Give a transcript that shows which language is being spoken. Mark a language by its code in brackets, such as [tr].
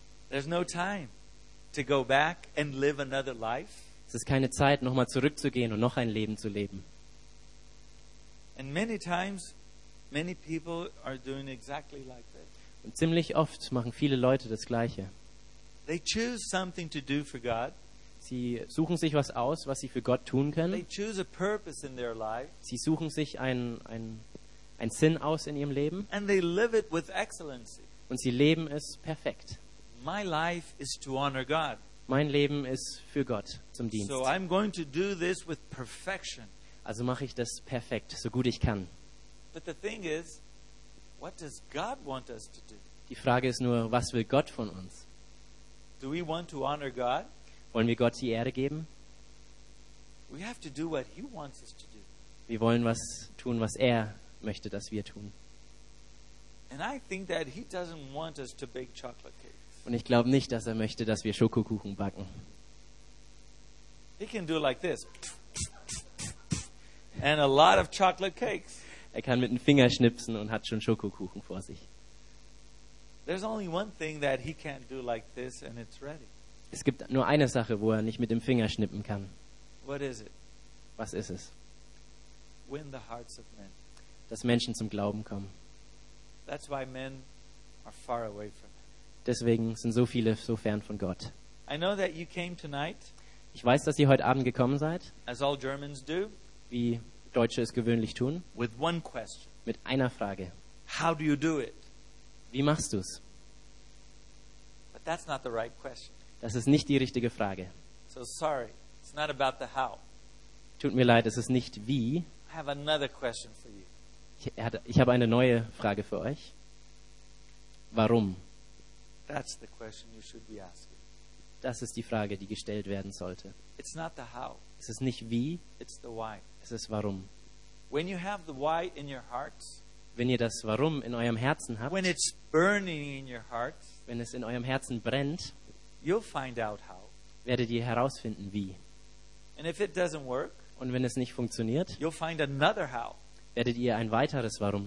[en] There's no time to go back and live another life. [de] Es ist keine Zeit, nochmal zurückzugehen und noch ein Leben zu leben. [en] And many times, many people are doing exactly like this. [de] Und ziemlich oft machen viele Leute das Gleiche. [en] They choose something to do for God. [de] Sie suchen sich was aus, was sie für Gott tun können. [en] They choose a purpose in their life. [de] Sie suchen sich einen Sinn aus in ihrem Leben. [en] And they live it with excellency. [de] Und sie leben es perfekt. [en] My life is to honor God. [de] Mein Leben ist für Gott zum Dienst. [en] So I'm going to do this with perfection. [de] Also mache ich das perfekt, so gut ich kann. [en] But the thing is, what does God want us to do? [de] Die Frage ist nur, was will Gott von uns? [en] Do we want to honor God? [de] Wollen wir Gott die Ehre geben? [en] We have to do what he wants us to do. [de] Wir wollen was tun, was er möchte, dass wir tun. [en] And I think that he doesn't want us to bake chocolate cake. [de] Und ich glaube nicht, dass er möchte, dass wir Schokokuchen backen. [en] He can do like this. And a lot of chocolate cakes. [de] Er kann mit dem Finger schnipsen und hat schon Schokokuchen vor sich. [en] There's only one thing that he can't do like this and it's ready. [de] Es gibt nur eine Sache, wo er nicht mit dem Finger schnippen kann. [en] What is it? [de] Was ist es? [en] Win the hearts of men. [de] Dass Menschen zum Glauben kommen. [en] That's why men are far away from. [de] Deswegen sind so viele so fern von Gott. [en] I know that you came tonight, [de] ich weiß, dass ihr heute Abend gekommen seid, [en] as all Germans do, [de] wie Deutsche es gewöhnlich tun, [en] with one question, [de] mit einer Frage. [en] How do you do it? [de] Wie machst du es? [en] But that's not the right question. [de] Das ist nicht die richtige Frage. [en] So sorry, it's not about the how. [de] Tut mir leid, es ist nicht wie. [en] I have another question for you. [de] Ich habe eine neue Frage für euch. Warum? [en] That's the question you should be asking. [de] Das ist die Frage, die gestellt werden sollte. [en] It's not the how. [de] Es ist nicht wie. [en] It's the why. [de] Es ist warum. [en] When you have the why in your hearts, [de] wenn ihr das Warum in eurem Herzen habt, [en] when it's burning in your hearts, [de] wenn es in eurem Herzen brennt, [en] you'll find out how. [de] Werdet ihr herausfinden, wie. [en] And if it doesn't work, [de] und wenn es nicht funktioniert, [en] you'll find another how. [de] Werdet ihr ein weiteres Warum